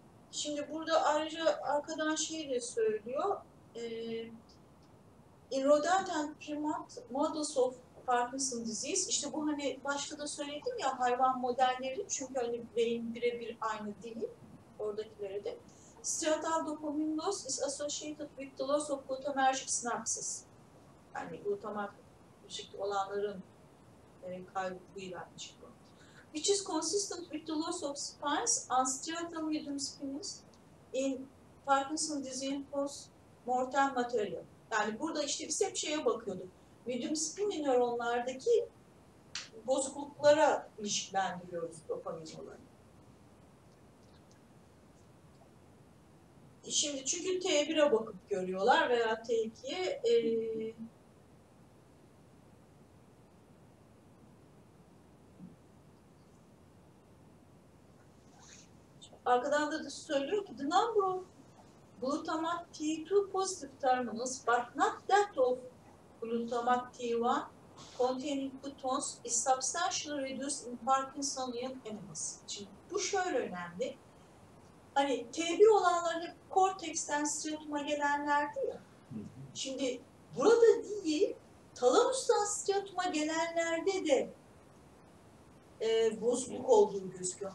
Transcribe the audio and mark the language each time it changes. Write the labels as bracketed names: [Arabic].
[Turkish] Şimdi burada ayrıca arkadan şey de söylüyor. [English] In rodent primat models of Parkinson disease. [Turkish] İşte bu hani başta da söyledim ya hayvan modelleri. Çünkü hani beyin birebir aynı değil. Oradakileri de. [English] Striatal dopamin loss is associated with the loss of glutamatergic synapses. [Turkish] Yani glutamatergic olanların kaybıyla çıkıyor. [English] Which is consistent with the loss of spines and striatal rhythm spines in Parkinson's disease post-mortem material. [Turkish] Yani burada işte biz hep şeye bakıyorduk. Rhythm spine nöronlardaki bozukluklara ilişkilendiriyoruz dopamin olarak. Şimdi çünkü T1'e bakıp görüyorlar veya T2'ye. Arkadan da söylüyor ki [English] the number of glutamate T2 positive terminals but not that of glutamate T1 containing butons is substantially reduced in Parkinsonian animals. [Turkish] Şimdi bu şöyle önemli. Hani T1 olanlar hep korteksten striatuma gelenlerdi ya. Şimdi burada değil, talamustan striatuma gelenlerde de bozukluk olduğunu gözüküyor.